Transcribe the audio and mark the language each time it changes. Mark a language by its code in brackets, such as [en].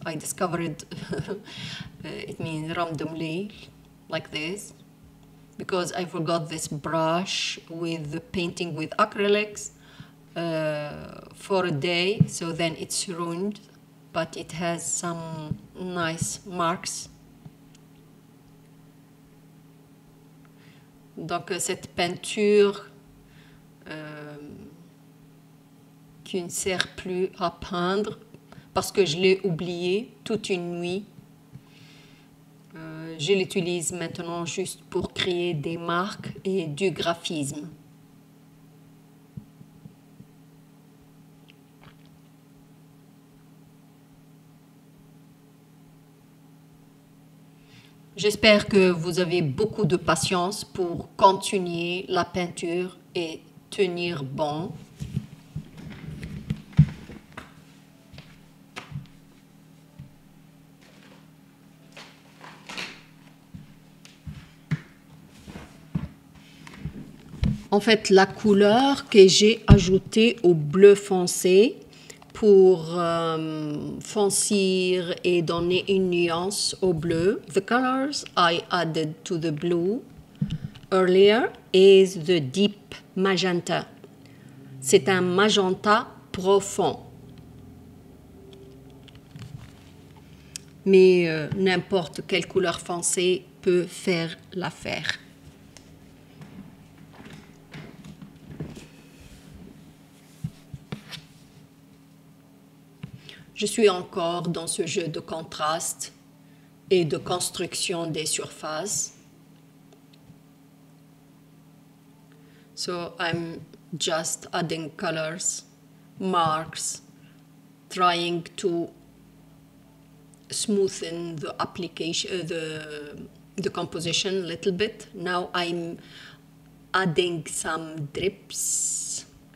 [en] I discovered it means randomly, like this, because I forgot this brush with the painting with acrylics for a day, so then it's ruined, but it has some nice marks. [fr] Donc cette peinture qui ne sert plus à peindre parce que je l'ai oubliée toute une nuit. Je l'utilise maintenant juste pour créer des marques et du graphisme. J'espère que vous avez beaucoup de patience pour continuer la peinture et tenir bon. En fait, la couleur que j'ai ajoutée au bleu foncé pour foncir et donner une nuance au bleu. [en] The colors I added to the blue earlier is the deep magenta. [fr] C'est un magenta profond. Mais n'importe quelle couleur foncée peut faire l'affaire. Je suis encore dans ce jeu de contraste et de construction des surfaces. [en] So I'm just adding colors, marks, trying to smoothen the application, the composition a little bit. Now I'm adding some drips.